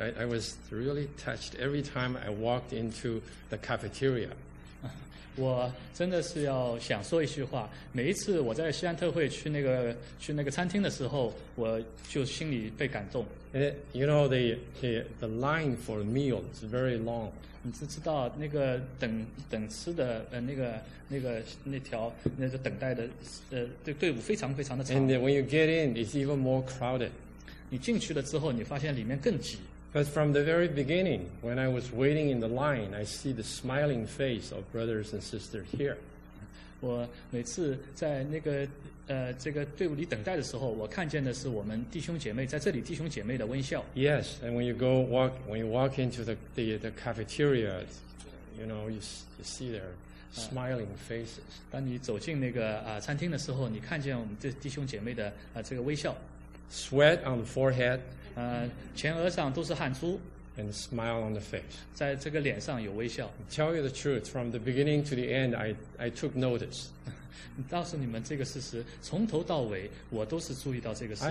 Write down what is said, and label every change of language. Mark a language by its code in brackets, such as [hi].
[en] I was really touched every time I walked into the cafeteria. [zh] 我真的是要想说一句话。每一次我在西安特会去那个餐厅的时候，我就心里被感动。 [en] You know, the line for a meal is very long. [zh] 你知道那个等吃的那条等待的队伍非常非常的长。 [en] And when you get in, it's even more crowded. [zh] 你进去了之后，你发现里面更挤。 [en] But from the very beginning, when I was waiting in the line, I see the smiling face of brothers and sisters here. [zh] 我每次在那个这个队伍里等待的时候，我看见的是我们弟兄姐妹在这里弟兄姐妹的微笑。 [en] Yes, and when you walk into the cafeteria, you know you see their smiling faces. [zh] 当你走进那个餐厅的时候，你看见我们这弟兄姐妹的这个微笑。 [en] Sweat on the forehead, [zh] 前额上都是汗珠 [en] and smile on the face. [zh] 在这个脸上有微笑。 [en] Tell you the truth, from the beginning to the end, I took notice. [zh] 告诉你们这个事实，从头到尾我都是注意到这个事情。